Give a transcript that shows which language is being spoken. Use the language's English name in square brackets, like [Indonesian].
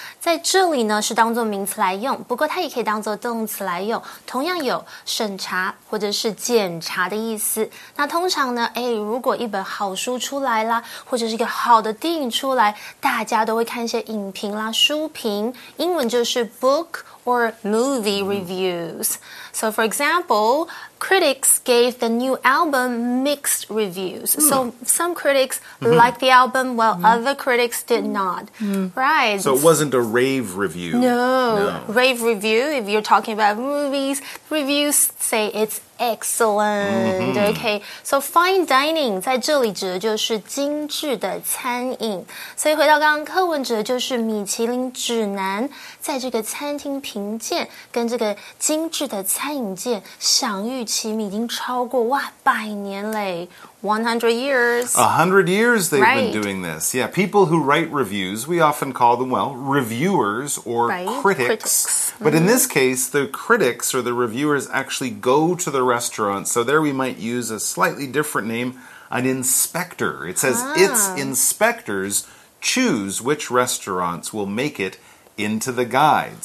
[Chinese] 在这里呢，是当作名词来用，不过它也可以当作动词来用，同样有审查或者是检查的意思。那通常呢，哎，如果一本好书出来啦，或者是一个好的电影出来，大家都会看一些影评啦、书评，英文就是 book [English] or movie reviews. So, for example, critics gave the new album mixed reviews. Mm. So, some critics liked the album, while other critics did not. Mm. Right. So, it wasn't a rave review. No. Rave review, if you're talking about movies, reviews say it's excellent. Mm-hmm. Okay. So, fine dining [Chinese] 在这里指的就是精致的餐饮。所以回到刚刚课文指的就是米其林指南在这个餐厅评鉴跟这个精致的餐饮界享誉其名已经超过哇百年嘞 [English] 100 years. 100 years they've been doing this. Yeah, people who write reviews, we often call them, well, reviewers or critics. But in this case, the critics or the reviewers actually go to the restaurant. So there we might use a slightly different name, an inspector. It says its inspectors choose which restaurants will make it into the guide.